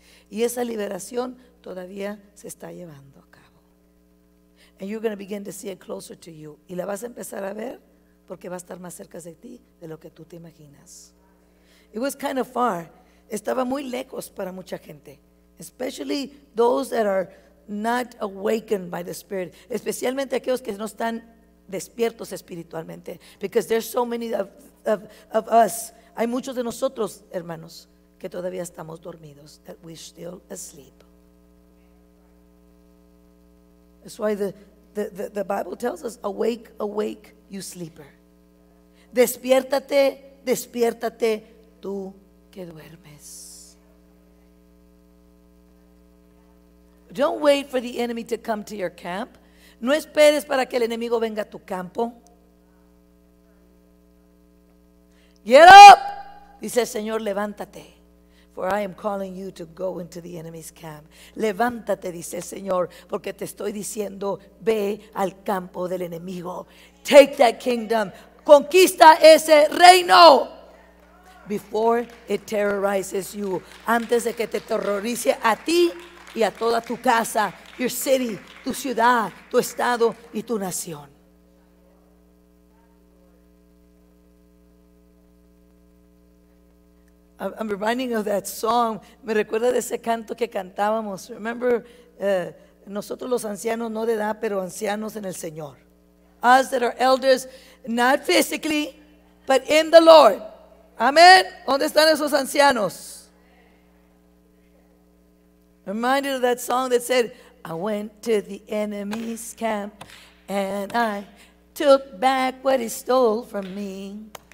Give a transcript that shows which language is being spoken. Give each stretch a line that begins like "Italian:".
Spanish: Y esa liberación todavía se está llevando a cabo.
English: And you're going to begin to see it closer to you.
Spanish: Y la vas a empezar a ver porque va a estar más cerca de ti de lo que tú te imaginas.
English: It was kind of far.
Spanish: Estaba muy lejos para mucha gente,
English: especially those that are not awakened by the Spirit,
Spanish: especialmente aquellos que no están despiertos espiritualmente,
English: because there's so many of us.
Spanish: Hay muchos de nosotros, hermanos, que todavía estamos dormidos,
English: that we're still asleep. That's why the Bible tells us, awake, awake, you sleeper.
Spanish: Despiértate, despiértate, tú que duermes.
English: Don't wait for the enemy to come to your camp.
Spanish: No esperes para que el enemigo venga a tu campo.
English: Get up,
Spanish: dice el Señor, levántate.
English: For I am calling you to go into the enemy's camp.
Spanish: Levántate, dice el Señor, porque te estoy diciendo, ve al campo del enemigo.
English: Take that kingdom.
Spanish: Conquista ese reino.
English: Before it terrorizes you.
Spanish: Antes de que te terrorice a ti y a toda tu casa,
English: your city,
Spanish: tu ciudad, tu estado y tu nación.
English: I'm reminding of that song.
Spanish: Me recuerda de ese canto que cantábamos. Remember, nosotros los ancianos, no de edad, pero ancianos en el Señor.
English: Us that are elders, not physically, but in the Lord. Amén.
Spanish: ¿Dónde están esos ancianos?
English: Reminded of that song that said, I went to the enemy's camp and I took back what he stole from me.